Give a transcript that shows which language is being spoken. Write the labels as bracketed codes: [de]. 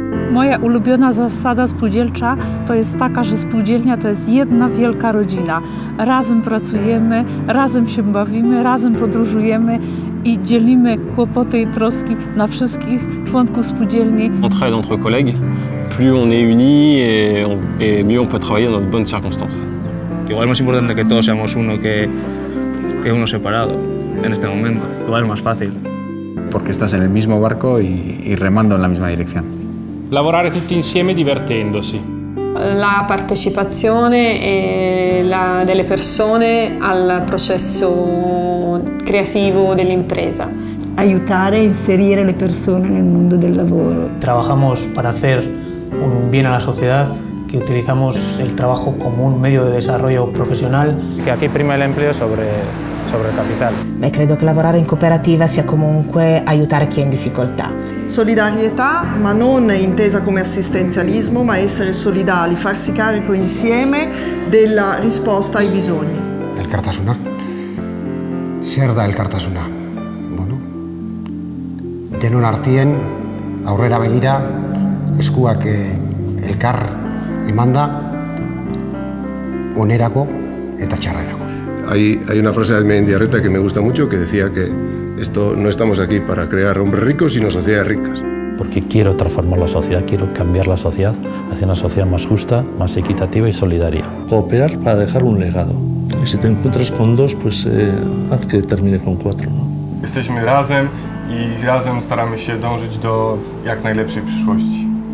[pl] Moja ulubiona zasada spółdzielcza to jest taka, że spółdzielnia to jest jedna wielka rodzina. Razem pracujemy, razem się bawimy, razem podróżujemy i dzielimy kłopoty i troski na wszystkich członków spółdzielni. [fr] Entre aides, entre collègues, plus on est unis et mieux on peut travailler dans de bonnes circonstances. [es] Igual es más importante que todos seamos uno que uno separado en este momento. Igual es más fácil. Porque estás en el mismo barco y remando en la misma dirección. [it] Lavorare tutti insieme divertendosi. La partecipazione delle persone al processo creativo dell'impresa. Aiutare a inserire le persone nel mondo del lavoro. [es] Trabajamos para hacer un bien a la sociedad, que utilizamos el trabajo como un medio de desarrollo profesional. Que aquí prima el empleo sobre el capital. [it] Beh, credo che lavorare in cooperativa sia comunque aiutare chi è in difficoltà. Solidarietà, ma non intesa come assistenzialismo, ma essere solidali, farsi carico insieme della risposta ai bisogni. [eu] Elkartasuna. Zer da elkartasuna? Bueno, denon artien, aurrera begira, eskuak elkar emanda, onerako eta txarrerako. [es] Hay una frase de Mendiarreta que me gusta mucho, que decía que esto no estamos aquí para crear hombres ricos, sino sociedades ricas. Porque quiero transformar la sociedad, quiero cambiar la sociedad hacia una sociedad más justa, más equitativa y solidaria. Cooperar para dejar un legado. Y si te encuentras con dos, pues haz que termine con cuatro, ¿no? [pl] Jesteśmy razem i razem staramy się dążyć do jak najlepszej przyszłości.